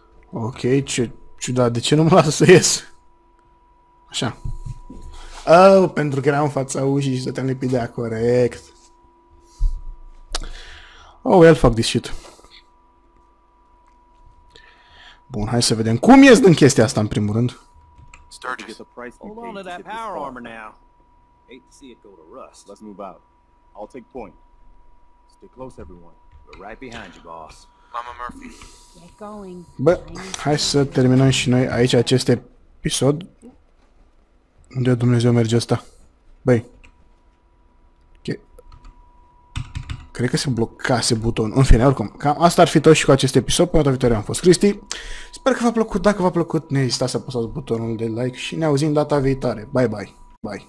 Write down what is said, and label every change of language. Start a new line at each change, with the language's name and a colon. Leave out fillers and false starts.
Romanian: Ok, ce ciudat, de ce nu mă lasă să ies? Așa. Oh, pentru că eram în fața ușii și stăteam lipit de aia, corect.
English: Oh, well, fuck this shit.
Romanian: Bun, hai să vedem cum ies din chestia asta în primul rând.
English: Sturgis. Hold on to that power armor now. Hate to see it go to rust. Let's move out. I'll take point. Stick close, everyone. We're right behind you, boss. Mama Murphy. Get going.
Romanian: Bă, hai să terminăm și noi aici acest episod. Unde Dumnezeu merge asta? Băi. Cred că se blocase butonul. În fine, oricum, cam asta ar fi tot și cu acest episod. Pe data viitoare am fost Cristi. Sper că v-a plăcut. Dacă v-a plăcut, ne-a existat să apăsați butonul de like și ne auzim data viitoare. Bye, bye. Bye.